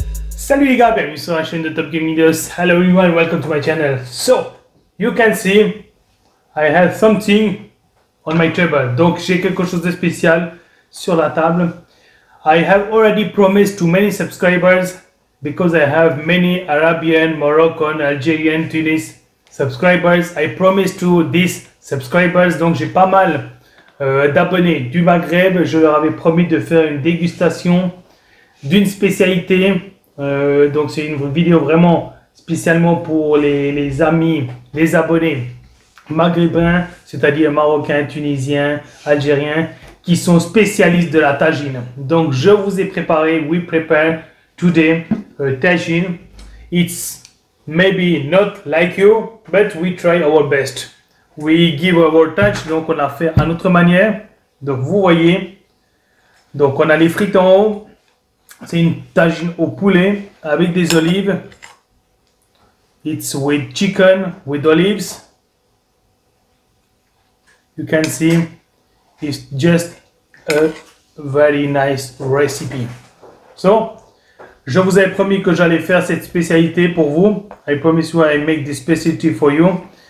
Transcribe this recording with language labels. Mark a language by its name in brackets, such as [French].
[French] Salut les gars, bienvenue sur la chaîne de Top Gaming Videos. [English] Hello everyone, welcome to my channel. So, you can see, I have something on my table. [French] Donc j'ai quelque chose de spécial sur la table. [English] I have already promised to many subscribers because I have many Arabian, Moroccan, Algerian, Tunis subscribers. I promised to these subscribers, [French] donc j'ai pas mal d'abonnés du Maghreb. Je leur avais promis de faire une dégustation d'une spécialité. Donc c'est une vidéo vraiment spécialement pour les amis, les abonnés maghrébins, c'est-à-dire marocains, tunisiens, algériens, qui sont spécialistes de la tagine. Donc je vous ai préparé, [English] we prepare today tagine. It's maybe not like you, but we try our best. We give our touch, [French] donc on a fait à notre manière. Donc vous voyez, donc on a les frites en haut. C'est une tagine au poulet avec des olives. [English] It's with chicken with olives. You can see it's just a very nice recipe. [French] So, je vous avais promis que j'allais faire cette spécialité pour vous. [English] I promise you I make this specialty for you.